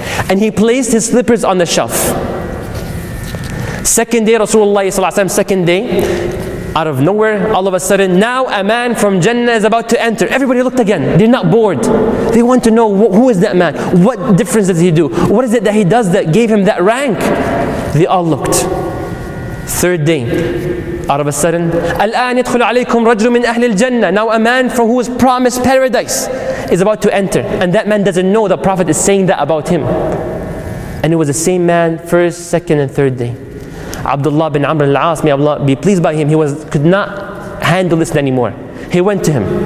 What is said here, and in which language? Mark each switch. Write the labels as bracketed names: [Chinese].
[English] And he placed his slippers on the shelf. Second day, Rasulullah, second day, out of nowhere, all of a sudden, now a man from Jannah is about to enter. Everybody looked again. They're not bored. They want to know, who is that man? What difference does he do? What is it that he does that gave him that rank? They all looked. Third day, out of a sudden, [Arabic] الآن يدخل عليكم رجل من أهل الجنة. [English] Now a man from who is promised paradise is about to enter. And that man doesn't know the Prophet is saying that about him. And it was the same man, first, second, and third day. Abdullah bin Amr al-As, may Allah be pleased by him, he could not handle this anymore. He went to him.